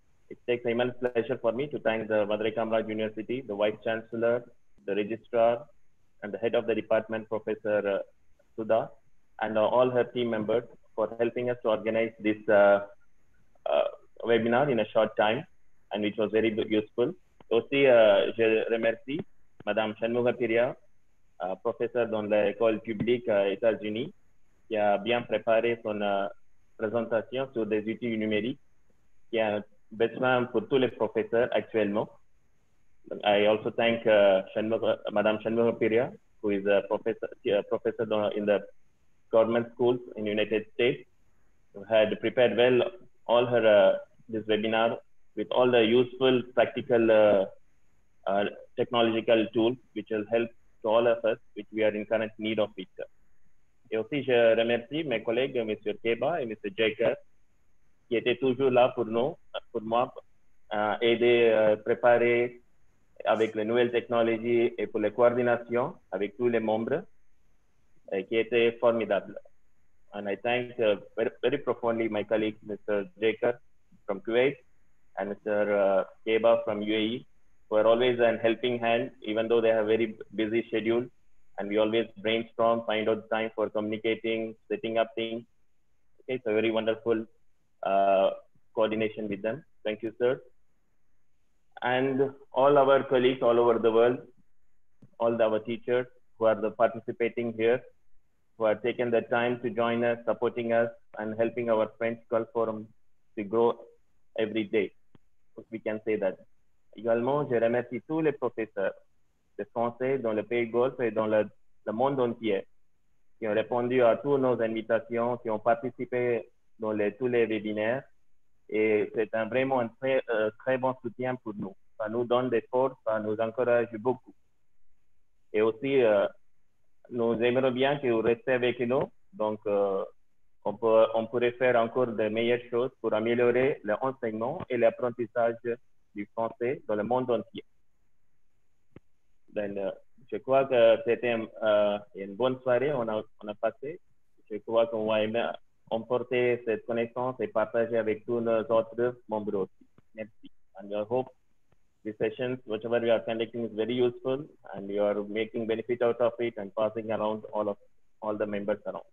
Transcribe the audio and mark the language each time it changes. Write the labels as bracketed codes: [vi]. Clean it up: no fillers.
[en] It takes immense pleasure for me to thank the Madurai Kamaraj University, the Vice Chancellor, the Registrar, and the Head of the Department, Professor Sudha, and all her team members for helping us to organize this webinar in a short time. And which was very useful. [fr] Aussi, je remercie Madame Shanmugapiriya, professeur dans l'école publique aux États-Unis, qui a bien préparé son présentation sur des outils numériques, qui a besoin pour tous les professeurs actuellement. [en] I also thank Madame Shanmugapriya, who is a professor in the government schools in United States, who had prepared well all her this webinar with all the useful, practical, technological tools, which will help to all of us, which we are in current need of it. [fr] Et aussi, je remercie mes collègues, M. Keba et M. Jacob, qui étaient toujours là pour nous, pour moi, aider, préparer avec les nouvelles technologies et pour la coordination avec tous les membres, qui étaient formidables. [en] And I thank very profoundly my colleague, Mr. Jacob from Kuwait, and Mr. Keba from UAE, who are always a helping hand, even though they have very busy schedule. And we always brainstorm, find out time for communicating, setting up things. Okay, it's a very wonderful coordination with them. Thank you, sir. And all our colleagues all over the world, all our teachers who are participating here, who have taken the time to join us, supporting us, and helping our French Girl Forum to grow every day. We can say that. [fr] Également, je remercie tous les professeurs de français dans le pays Golfe et dans le monde entier qui ont répondu à toutes nos invitations, qui ont participé dans tous les webinaires. Et c'est vraiment un très, très bon soutien pour nous. Ça nous donne des forces, ça nous encourage beaucoup. Et aussi, nous aimerons bien que vous restiez avec nous. Donc, on pourrait faire encore de meilleures choses pour améliorer l'enseignement et l'apprentissage du français dans le monde entier. Donc, je crois que c'était une bonne soirée on a passé. Je crois qu'on va aimer emporter cette connaissance et partager avec tous nos autres membres aussi. Merci. [en] And I hope these sessions, whatever we are conducting, is very useful and you are making benefit out of it and passing around all the members around.